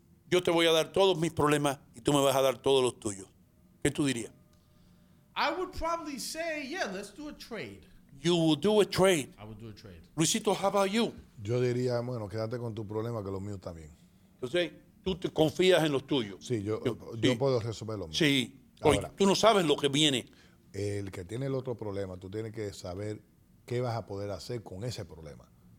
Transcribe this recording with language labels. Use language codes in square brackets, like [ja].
[es] Yo te voy a dar todos mis problemas y tú me vas a dar todos los tuyos. ¿Qué tú dirías? [en] I would probably say, yeah, let's do a trade. You will do a trade. I would do a trade. Luisito, how about you? [es] Yo diría, bueno, quédate con tu problema, que los míos también. Entonces, tú te confías en los tuyos. Sí, yo puedo resolver los míos. Sí. Oye, ahora, tú no sabes lo que viene. El que tiene el otro problema, tú tienes que saber qué vas a poder hacer con ese problema.